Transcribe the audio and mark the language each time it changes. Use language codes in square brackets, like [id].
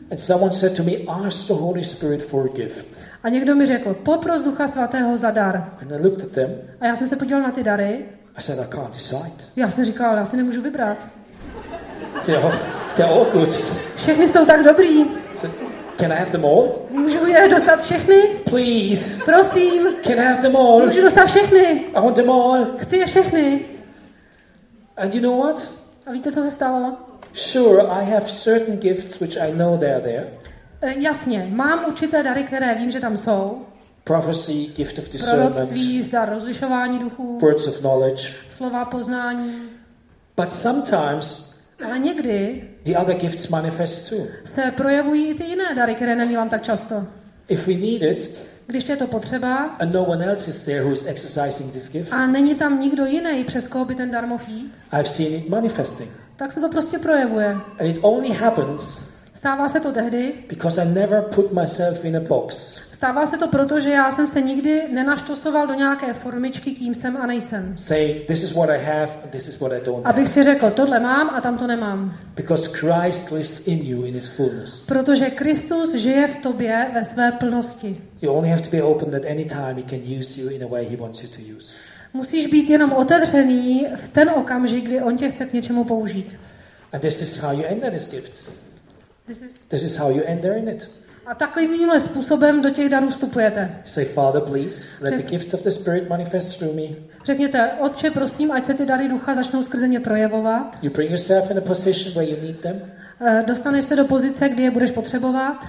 [en] And someone said to me, ask the Holy Spirit for a gift. [cs] A někdo mi řekl, popros Ducha Svatého za dar. [en] And I looked at them. [cs] A já jsem se podíval na ty dary. [en] I said, I can't decide. [cs] Já jsem říkal, já si nemůžu vybrat. [en] They're all good. [cs] Všechny jsou tak dobrý. [en] Can I have them all? [cs] Můžu je dostat všechny? [en] Please. [cs] Prosím. [en] Can I have them all? [cs] Můžu dostat všechny? [en] I want them all. [cs] Chci je všechny. [en] And you know what? [cs] A víte, co se stalo? [en] Sure, I have certain gifts which I know they are there. [cs] Jasně, mám určité dary, které vím, že tam jsou. [en] Prophecy, gift of discernment. [cs] Proroctví, dar rozlišování duchů. [en] Words of knowledge. [cs] Slova poznání. [en] But sometimes. [cs] Ale někdy. [en] The other gifts manifest too. [cs] Se projevují i ty jiné dary, které nemívám tak často. [en] If we need it. [cs] Když je to potřeba. [en] And no one else is there who is exercising this gift. [cs] A není tam nikdo jiný, přes koho by ten dar mohl jít. [en] I've seen it manifesting. [cs] Tak se to prostě projevuje. [en] And it only happens. [cs] Stává se to tehdy. [en] Because I never put myself in a box. [cs] Stává se to proto, že já jsem se nikdy nenaštosoval do nějaké formičky, kým jsem a nejsem. [en] Say this is what I have, this is what I don't. [cs] Abych si řekl, tohle mám a tamto nemám. [en] Because Christ lives in you in his fullness. [cs] Protože Kristus žije v tobě ve své plnosti. [en] You only have to be open that any time he can use you in a way he wants you to use. [cs] Musíš být jenom otevřený v ten okamžik, kdy on tě chce k něčemu použít. [en] And this is how you enter these gifts. This is how you enter in it. [cs] A takovýmhle způsobem do těch darů vstupujete. [en] Say, Father, please, let the gifts of the Spirit manifest through me. [cs] Řekněte, Otče, prosím, ať se ty dary ducha začnou skrze mě projevovat. [en] You bring yourself in a position where you need them. [cs] Dostaneš se do pozice, kdy je budeš potřebovat.